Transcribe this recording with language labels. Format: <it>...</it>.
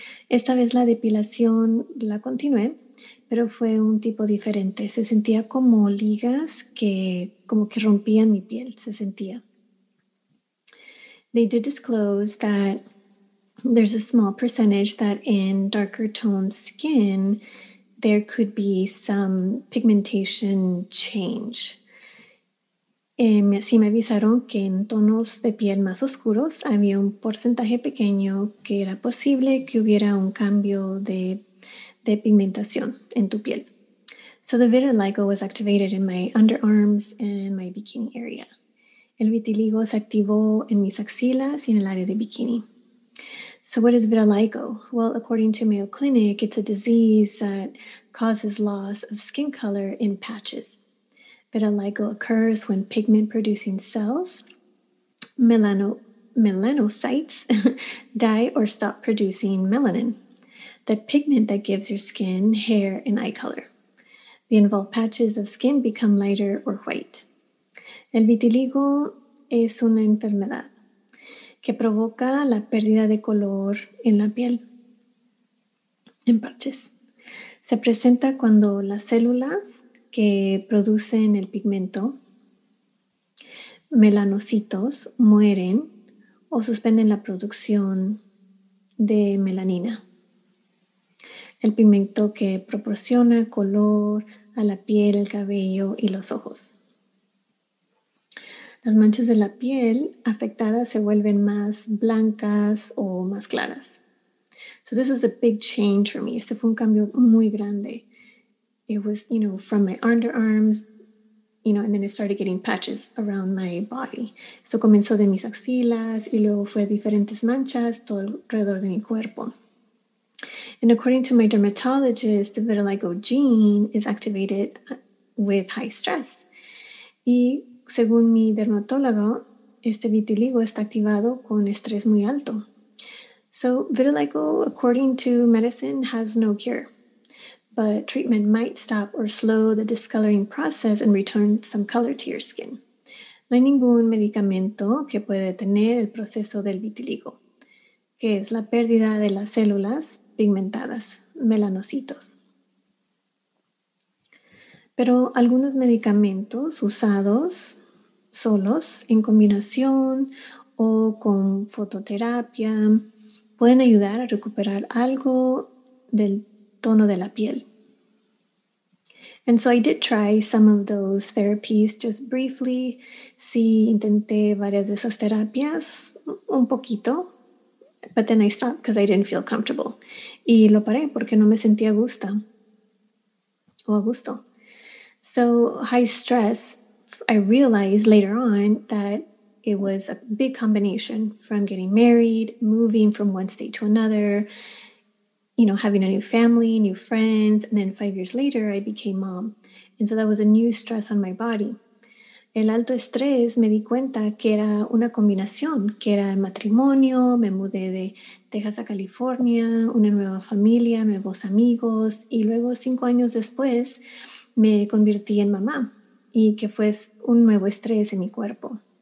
<es>Esta vez la depilación la continué, pero fue un tipo diferente. Se sentía como ligas que como que rompían mi piel, se sentía.</es> <en>They did disclose that there's a small percentage that in darker toned skin, there could be some pigmentation change.</en> <es>Sí me avisaron que en tonos de piel más oscuros había un porcentaje pequeño que era posible que hubiera un cambio de pigmentación en tu piel.</es> <en>So the vitiligo was activated in my underarms and my bikini area.</en> <es>El vitiligo se activó en mis axilas y en el área de bikini.</es> <en>So what is vitiligo? Well, according to Mayo Clinic, it's a disease that causes loss of skin color in patches. Vitiligo occurs when pigment-producing cells, melanocytes, die or stop producing melanin, the pigment that gives your skin hair and eye color. The involved patches of skin become lighter or white.</en> <es>El vitiligo es una enfermedad que provoca la pérdida de color en la piel, en parches. Se presenta cuando las células que producen el pigmento, melanocitos, mueren o suspenden la producción de melanina. El pigmento que proporciona color a la piel, el cabello y los ojos. Las manchas de la piel afectada se vuelven más blancas o más claras.</es> <en>So this was a big change for me.</en> <es>Este fue un cambio muy grande.</es> <en>It was, you know, from my underarms, you know, and then it started getting patches around my body.</en> <es>So comenzó de mis axilas y luego fue diferentes manchas todo alrededor de mi cuerpo.</es> <en>And according to my dermatologist, the vitiligo gene is activated with high stress.</en> <es>Y según mi dermatólogo, este vitiligo está activado con estrés muy alto.</es> <en>So vitiligo, according to medicine, has no cure. But treatment might stop or slow the discoloring process and return some color to your skin.</en> <es>No hay ningún medicamento que pueda detener el proceso del vitiligo, que es la pérdida de las células pigmentadas, melanocitos. Pero algunos medicamentos usados solos, en combinación o con fototerapia, pueden ayudar a recuperar algo del tono de la piel.</es> <en>And so I did try some of those therapies just briefly.</en> <es>Sí, intenté varias de esas terapias, un poquito.</es> <en>But then I stopped because I didn't feel comfortable.</en> <es>Y lo paré porque no me sentía a gusto.</es> <en>So high stress, I realized later on that it was a big combination from getting married, moving from one state to another, you know, having a new family, new friends. And then 5 years later, I became mom. And so that was a new stress on my body.</en> <es>El alto estrés me di cuenta que era una combinación, que era el matrimonio, me mudé de Texas a California, una nueva familia, nuevos amigos, y luego 5 años después me convertí en mamá, y que fue un nuevo estrés en mi cuerpo.</es>